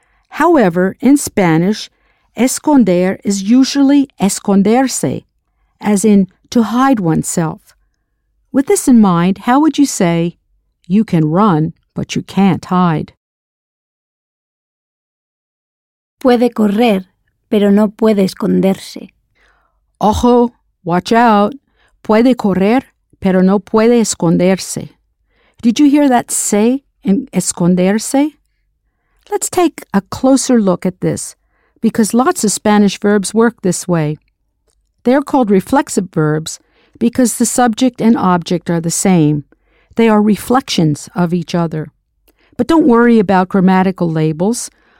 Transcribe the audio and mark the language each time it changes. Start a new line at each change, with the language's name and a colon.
English: However, in Spanish, esconder is usually esconderse, as in to hide oneself. With this in mind, how would you say, you can run, but you can't hide?
Spanish: Puede correr, pero no puede esconderse.
English: Ojo, watch out.
Spanish: Puede correr, pero no puede esconderse.
English: Did you hear that se in esconderse? Let's take a closer look at this, because lots of Spanish verbs work this way. They're called reflexive verbs because the subject and object are the same. They are reflections of each other. But don't worry about grammatical labels.